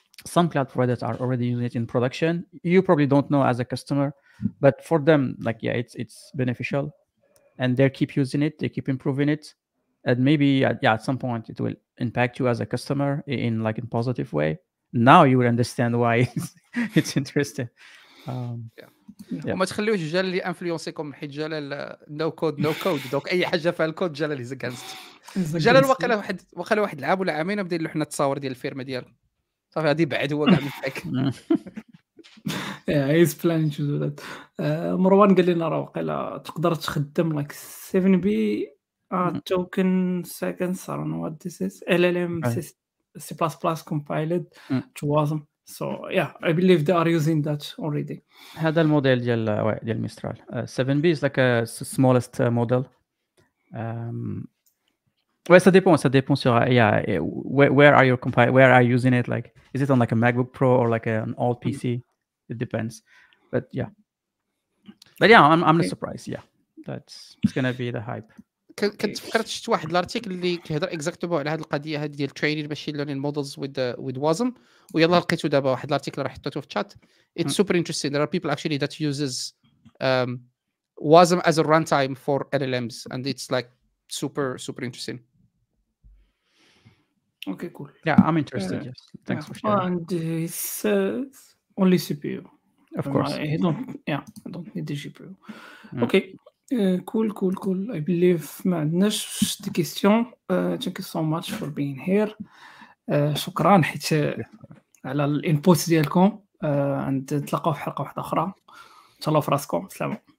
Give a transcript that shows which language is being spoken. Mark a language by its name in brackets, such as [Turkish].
[English] Some cloud providers are already using it in production. You probably don't know as a customer, but for them, like, yeah, it's beneficial. And they keep using it. They keep improving it. And maybe, yeah, at some point it will impact you as a customer in positive way. Now you will understand why it's interesting. [Arabic] وما تخليوش جلالي انفلونسيكم حيت جلال [English] no code [Arabic] دونك اي حاجه فيها الكود جلال [English] is against [Arabic] جلال. وقال واحد العاب ولا عامين بدا يلوح لنا التصاور ديال الفيرما ديالو صافي غادي بعد هو كاع منك [English] يا is plan to do that. [Arabic] مروان قال لنا راه وقال تقدر تخدم لك [English] 7 B token seconds or no what this is L L M C plus plus compiled to wasm. So yeah, I believe they are using that already. [Arabic] هذا الموديل ديال [English] Mistral 7B is like a smallest model. Well, [French] ça dépend sur [English] where are you compiling, where are you using it, like is it on like a MacBook Pro or like an old PC? It depends. But yeah, I'm not surprised. Yeah. It's going to be the hype. [Arabic] كنت فكرت شفت واحد الارتيكل اللي كيهضر اكزاكتو على هذه القضيه هذه ديال ترينينغ ماشين ليرنين مودلز [English] with وازم [Arabic] ويلا لقيتو دابا واحد الارتيكل راه حطيتو في الشات. [English] It's super interesting. There are people actually that uses Wasm as a runtime for LLMs and it's like super super interesting. Okay, cool. Yeah, I'm interested. Yes. Thanks for sharing. And it's only CPU. Of course. I don't need the GPU. Okay. Cool. I believe [Arabic] ما عندناش شي كيسيون. [English] Thank you so much for being here. [Arabic] شكرا حيت على الانبوت ديالكم. عند نتلاقاو في حلقه واحده اخرى. تهلاو في راسكم. سلام.